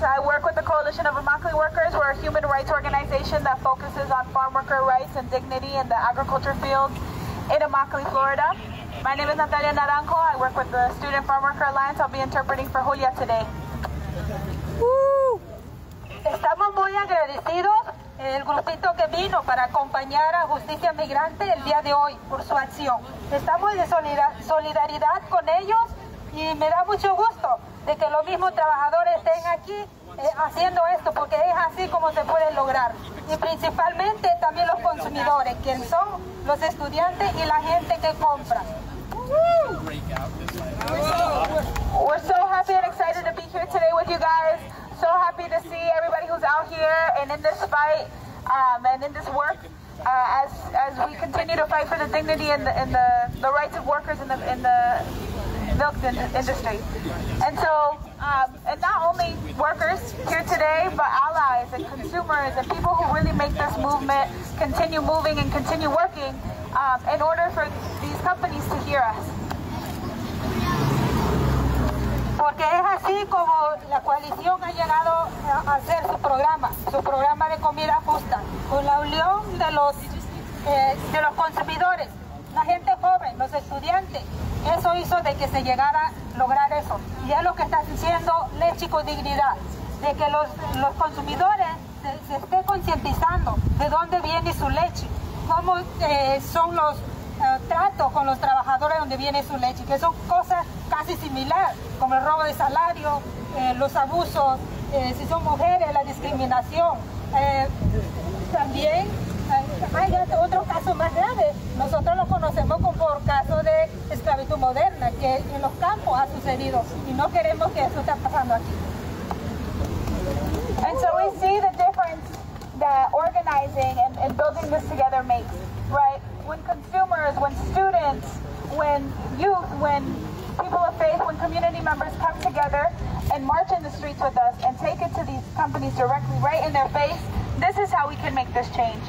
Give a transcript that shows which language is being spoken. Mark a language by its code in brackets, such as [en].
[en] I work with the Coalition of Immokalee Workers. We're a human rights organization that focuses on farm worker rights and dignity in the agriculture field in Immokalee, Florida. My name is Natalia Naranjo. I work with the Student Farm Worker Alliance. I'll be interpreting for Julia today. Woo! [es] Estamos muy agradecidos el grupito que vino para acompañar a Justicia Migrante el día de hoy por su acción. Estamos de solidaridad con ellos. Y me da mucho gusto de que los mismos trabajadores estén aquí haciendo esto, porque es así como se puede lograr. Y principalmente también los consumidores, quienes son los estudiantes y la gente que compra. [en] We're so happy and excited to be here today with you guys. So happy to see everybody who's out here and in this fight and in this work as we continue to fight for the dignity and the rights of workers in the milk industry. And so, and not only workers here today, but allies and consumers and people who really make this movement continue moving and continue working in order for these companies to hear us. [es] Porque es así como la coalición ha llegado a hacer su programa de comida justa, con la unión de los consumidores, la gente joven, los estudiantes. Eso hizo de que se llegara a lograr eso. Y es lo que está diciendo Leche con Dignidad, de que los consumidores se estén concientizando de dónde viene su leche, cómo son los tratos con los trabajadores donde viene su leche, que son cosas casi similares, como el robo de salario, los abusos, si son mujeres, la discriminación. También hay otro caso más grave. Nosotros lo conocemos como por caso de esclavitud moderna, que en los campos ha sucedido, y no queremos que eso esté pasando aquí. [en] And so we see the difference that organizing and building this together makes, right? When consumers, when students, when youth, when people of faith, when community members come together and march in the streets with us and take it to these companies directly, right in their face, this is how we can make this change.